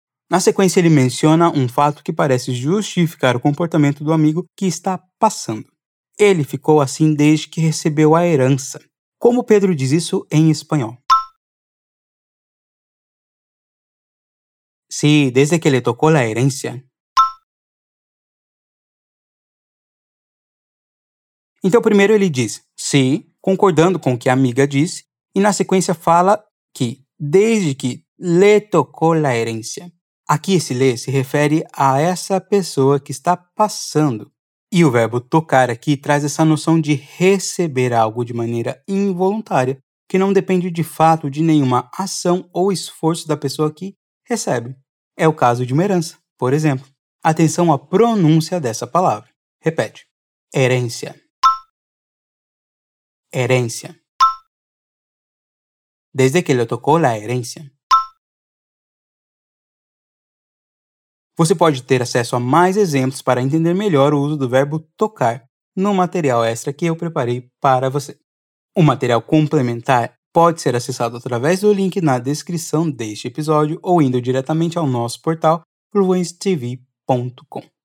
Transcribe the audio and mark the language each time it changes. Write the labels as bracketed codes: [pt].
[pt] Na sequência, ele menciona um fato que parece justificar o comportamento do amigo que está passando. Ele ficou assim desde que recebeu a herança. Como Pedro diz isso em espanhol? [es] Sí, desde que le tocó la herencia. [pt] Então, primeiro ele diz sí, concordando com o que a amiga disse, e na sequência fala que [es] desde que le tocó la herencia. [pt] Aqui esse le se refere a essa pessoa que está passando. E o verbo tocar aqui traz essa noção de receber algo de maneira involuntária, que não depende de fato de nenhuma ação ou esforço da pessoa que recebe. É o caso de uma herança, por exemplo. Atenção à pronúncia dessa palavra. Repete. Herência. Herência. [es] Desde que le tocó la herencia. [pt] Você pode ter acesso a mais exemplos para entender melhor o uso do verbo tocar no material extra que eu preparei para você. O material complementar pode ser acessado através do link na descrição deste episódio ou indo diretamente ao nosso portal fluencetv.com.